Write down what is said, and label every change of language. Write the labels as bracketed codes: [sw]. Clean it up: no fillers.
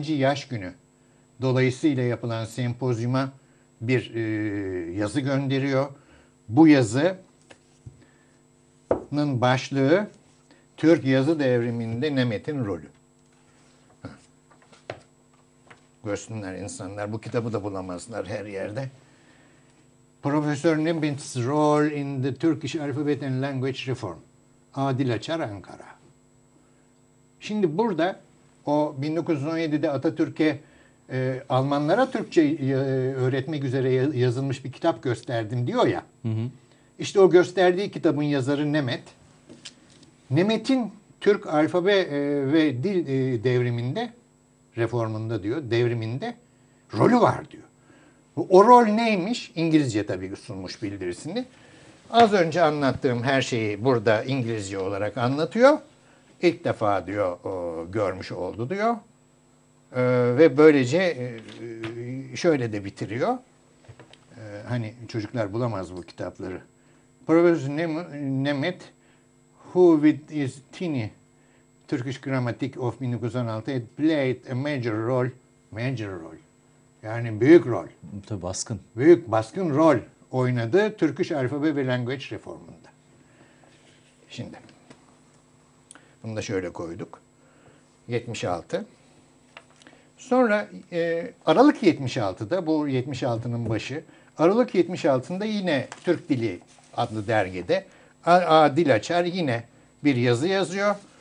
[tr] yaş günü dolayısıyla yapılan sempozyuma bir yazı gönderiyor. Bu yazının başlığı Türk yazı devriminde Nemet'in rolü. Görsünler insanlar, bu kitabı da bulamazlar her yerde. [en] Professor Nemet's Role in the Turkish Alphabet and Language Reform. [tr] Adil Açar, Ankara. Şimdi burada o 1917'de Atatürk'e Almanlara Türkçe öğretmek üzere yazılmış bir kitap gösterdim diyor ya. Hı hı. İşte o gösterdiği kitabın yazarı Nemet. Nemet'in Türk alfabe ve dil devriminde, reformunda diyor, devriminde rolü var diyor. O rol neymiş? İngilizce tabii sunmuş bildirisini. Az önce anlattığım her şeyi burada İngilizce olarak anlatıyor. İlk defa diyor görmüş oldu diyor. Ve böylece şöyle de bitiriyor. Hani çocuklar bulamaz bu kitapları. [en] Professor Nemet, who with his tiny Turkish Grammatik of 1916 had played a major role. Major role. [tr] Yani büyük rol. Tabii baskın. Büyük baskın rol oynadı [en] Turkish Alphabet [tr] ve [en] Language Reform'unda. [tr] Şimdi. Bunu da şöyle koyduk. 76. Sonra Aralık 76'da, bu 76'nın başı, Aralık 76'da yine Türk Dili adlı dergide Adil Açar yine bir yazı yazıyor.